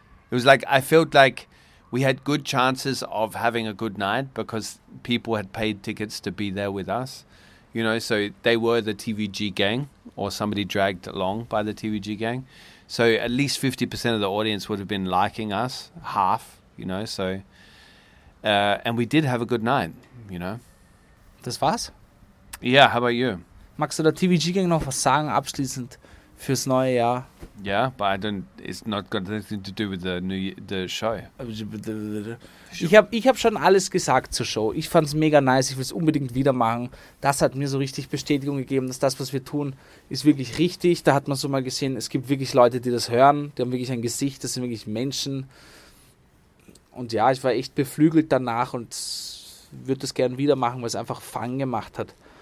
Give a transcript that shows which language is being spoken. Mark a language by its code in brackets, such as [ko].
[en] It was like, I felt like we had good chances of having a good night because people had paid tickets to be there with us, you know, so they were the TVG gang or somebody dragged along by the TVG gang. So at least 50% of the audience would have been liking us, half, you know, so, and we did have a good night, you know. [de] Das war's? [en] Yeah, how about you? [de] Magst du der TVG-Gang noch was sagen, abschließend fürs neue Jahr? [en] Yeah, but it's not got anything to do with the show. [de] Ich hab schon alles gesagt zur Show. Ich fand's mega nice, ich will es unbedingt wieder machen. Das hat mir so richtig Bestätigung gegeben, dass das, was wir tun, ist wirklich richtig. Da hat man so mal gesehen, es gibt wirklich Leute, die das hören. Die haben wirklich ein Gesicht, das sind wirklich Menschen. Und ja, ich war echt beflügelt danach und würde das gern wieder machen, weil es einfach Fun gemacht hat.